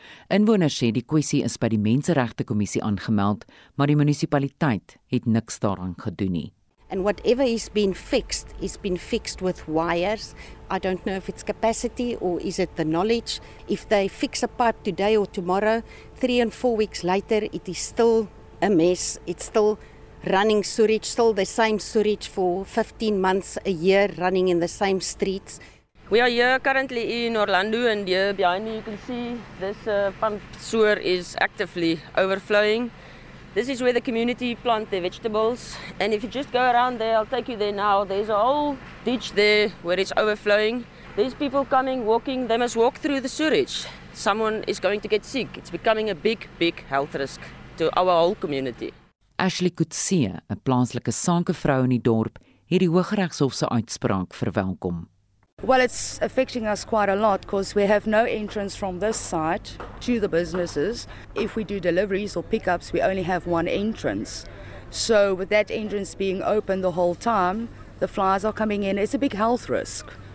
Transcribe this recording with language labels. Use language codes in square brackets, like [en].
[af] Inwoners sê die kwessie is by die Menseregte Kommissie aangemeld, maar die munisipaliteit het niks daaraan gedoen nie. [en] And whatever is being fixed with wires. I don't know if it's capacity or is it the knowledge. If they fix a pipe today or tomorrow, 3 and 4 weeks later, it is still a mess. It's still running sewage, still the same sewage for 15 months a year running in the same streets. We are here currently in Orlando and here behind me you can see this pump sewer is actively overflowing. This is where the community plant their vegetables. And if you just go around there, I'll take you there now. There's a whole ditch there where it's overflowing. There's people coming, walking. They must walk through the sewage. Someone is going to get sick. It's becoming a big, big health risk to our whole community. [af] Ashley Kutsia, 'n plaaslike sakevrou in die dorp, het die Hooggeregshof se uitspraak verwelkom. [en] Well, it's affecting us quite a lot because we have no entrance from this site to the businesses. If we do deliveries or pickups, we only have one entrance. So with that entrance being open the whole time, the flies are coming in. It's a big health risk.